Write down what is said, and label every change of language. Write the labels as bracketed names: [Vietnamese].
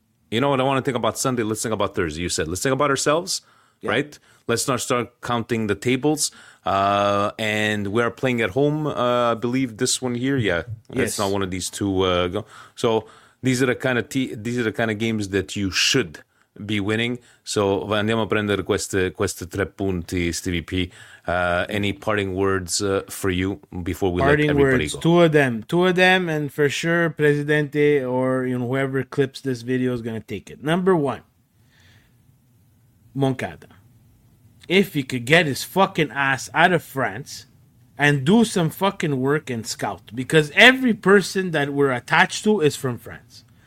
[English] You know what I want to think about Sunday? Let's think about Thursday. You said, let's think about ourselves. Yeah. Right? Let's not start counting the tables. And we are playing at home, I believe, this one here. Yeah. Yes. It's not one of these two. So these are the kind of games that you should be winning. [Italian] So andiamo a prendere queste tre punti, Stevie P. [English] Any parting words for you before we parting let everybody words. Go? Two of them. And for sure, Presidente or you know whoever clips this video is going to take it. Number one. Moncada, if he could get his fucking ass out of France and do some fucking work and scout, because every person that we're attached to is from France.